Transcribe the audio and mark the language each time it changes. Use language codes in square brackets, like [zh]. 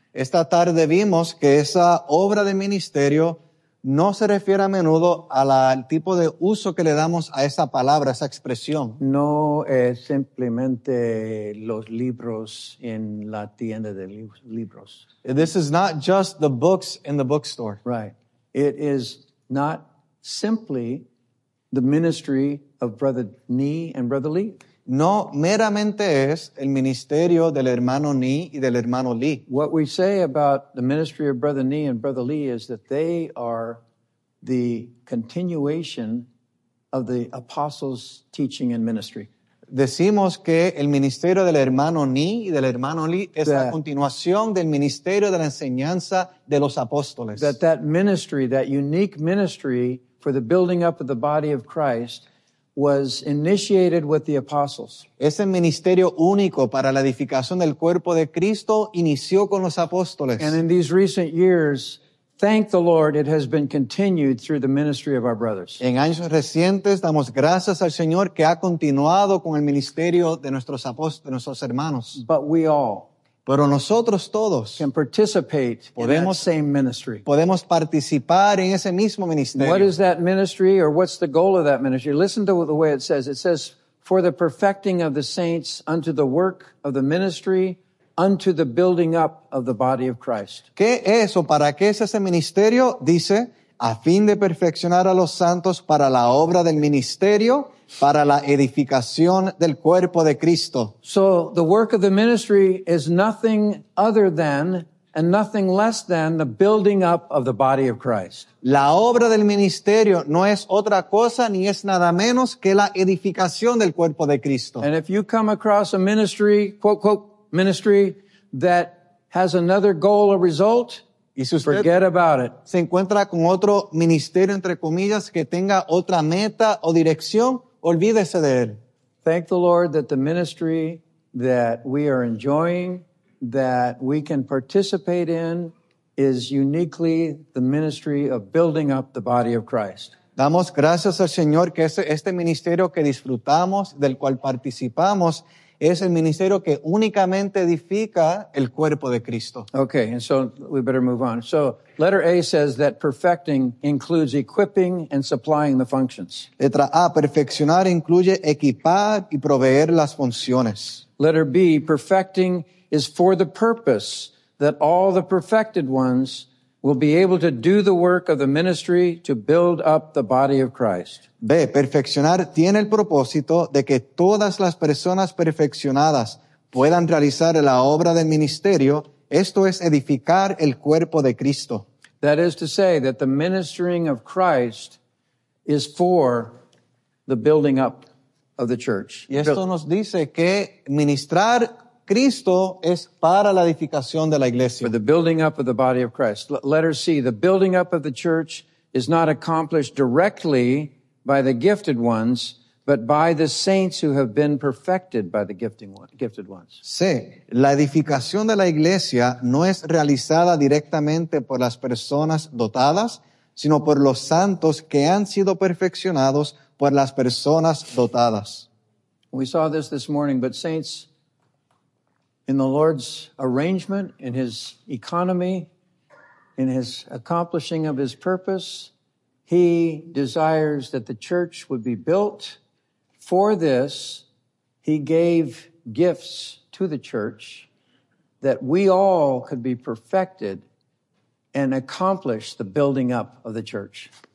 [es] Esta tarde vimos que esa obra de ministerio no se refiere a menudo al tipo de uso que le damos a esa palabra, esa expresión. No es simplemente los libros en la tienda de libros. [en] This is not just the books in the bookstore. Right. It is not simply the ministry of Brother Nee and Brother Lee. [es] No meramente es el ministerio del hermano Nee y del hermano Lee. [en] What we say about the ministry of Brother Nee and Brother Lee is that they are the continuation of the apostles' teaching and ministry. [es] Decimos que el ministerio del hermano Nee y del hermano Lee es la continuación del ministerio de la enseñanza de los apóstoles. [en] That ministry, that unique ministry for the building up of the body of Christ, was initiated with the apostles. [es] Ese ministerio único para la edificación del cuerpo de Cristo inició con los apóstoles. [en] And in these recent years, thank the Lord, it has been continued through the ministry of our brothers. [es] En años recientes, damos gracias al Señor que ha continuado con el ministerio de nuestros apóstoles, nuestros hermanos. [en] But we all, [es] pero nosotros todos, [en] can participate in that same ministry. [es] Podemos participar en ese mismo ministerio. [en] What is that ministry, or what's the goal of that ministry? Listen to the way it says. It says, for the perfecting of the saints unto the work of the ministry, unto the building up of the body of Christ. [es] ¿Qué es o para qué es ese ministerio? Dice, a fin de perfeccionar a los santos para la obra del ministerio, para la edificación del cuerpo de Cristo. [en] So the work of the ministry is nothing other than and nothing less than the building up of the body of Christ. [es] La obra del ministerio no es otra cosa ni es nada menos que la edificación del cuerpo de Cristo. [en] And if you come across a ministry, quote, quote, ministry that has another goal or result, [es] y si usted [en] forget about it. [es] Se encuentra con otro ministerio, entre comillas, que tenga otra meta o dirección, olvídese de él. [en] Thank the Lord that the ministry that we are enjoying, that we can participate in, is uniquely the ministry of building up the body of Christ. [es] Damos gracias al Señor que este ministerio que disfrutamos, del cual participamos, es el ministerio que únicamente edifica el cuerpo de Cristo. [en] Okay, and so we better move on. So, letter A says that perfecting includes equipping and supplying the functions. [es] Letra A, perfeccionar incluye equipar y proveer las funciones. [en] Letter B, perfecting is for the purpose that all the perfected ones will be able to do the work of the ministry to build up the body of Christ. [es] B. Perfeccionar tiene el propósito de que todas las personas perfeccionadas puedan realizar la obra del ministerio. Esto es edificar el cuerpo de Cristo. [en] That is to say that the ministering of Christ is for the building up of the church. [es] Y esto nos dice que ministrar Cristo es para la edificación de la iglesia. [en] For the building up of the body of Christ. Letter C, the building up of the church is not accomplished directly by the gifted ones, but by the saints who have been perfected by the gifted ones. [es] C, la edificación de la iglesia no es realizada directamente por las personas dotadas, sino por los santos que han sido perfeccionados por las personas dotadas. [en] We saw this morning, but saints, in the Lord's arrangement, in His economy, in His accomplishing of His purpose, He desires that the church would be built. For this, He gave gifts to the church that we all could be perfected and accomplish the building up of the church.